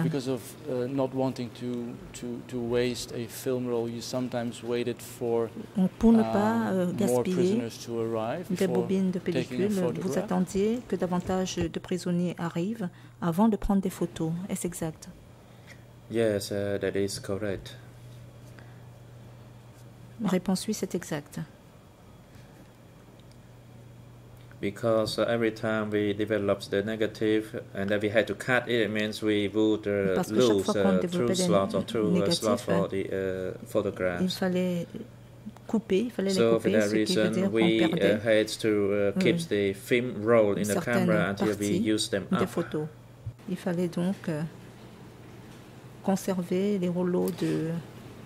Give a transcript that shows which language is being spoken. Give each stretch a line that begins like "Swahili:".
English: Because of not wanting to waste a film roll, you sometimes waited for
French: pour ne pas gaspiller
English: more prisoners to arrive
French: des bobines de pellicule, vous attendiez que davantage de prisonniers arrivent avant de prendre des photos. Est-ce exact?
English: Yes, that is correct.
French: Réponse 8 est exacte.
English: Because every time we develop the negative and then we had to cut it, it means we would lose two slots or two slots for the photographs.
French: Il fallait couper, il fallait les couper,
English: so for that reason, we had to keep the film roll in the camera until we use them up.
French: Il fallait donc conserver les rouleaux de pellicule